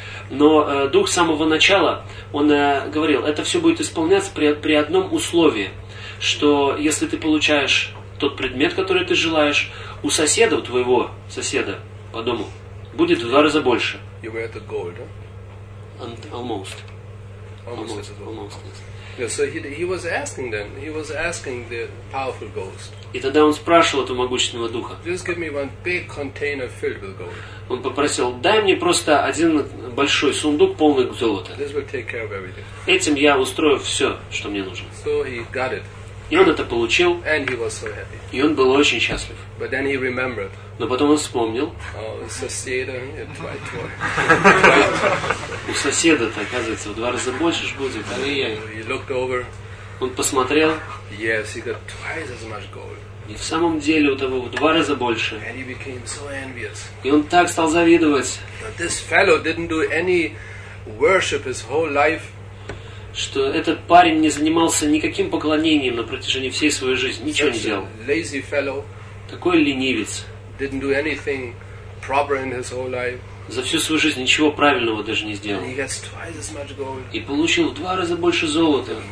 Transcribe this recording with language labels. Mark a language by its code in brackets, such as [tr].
[ru] Но дух с самого начала, он говорил, это все будет исполняться при одном условии, что если ты получаешь тот предмет, который ты желаешь, у соседа, у твоего соседа по дому, будет в два раза больше. [en] You were at the gold, huh? Almost. Almost. Almost. So he was asking them. He was asking the powerful ghost. [ru] И тогда он спрашивал этого могущественного духа. [en] Just give me one big container filled with gold. [ru] Он попросил: дай мне просто один большой сундук полный золота. [en] This will take care of everything. [ru] Этим я устрою все, что мне нужно. [en] So he got it. [ru] И он это получил. [en] And he was so happy. [ru] И он был очень счастлив. [en] But then he remembered. [ru] Но потом он вспомнил. У соседа-то, оказывается, в два раза больше ж будет, а я. Он посмотрел. [en] Yes, he got twice as much gold. [ru] И в самом деле у того в два раза больше. [en] And he became so envious. [ru] И он так стал завидовать. [en] But this fellow didn't do any worship his whole life. [ru] Что этот парень не занимался никаким поклонением на протяжении всей своей жизни, ничего не делал. [en] Lazy fellow. [ru] Такой ленивец. [en] Didn't do anything proper in his whole life. [ru] За всю свою жизнь ничего правильного даже не сделал. [en] And he gets twice as much gold. [ru] И получил в два раза больше золота.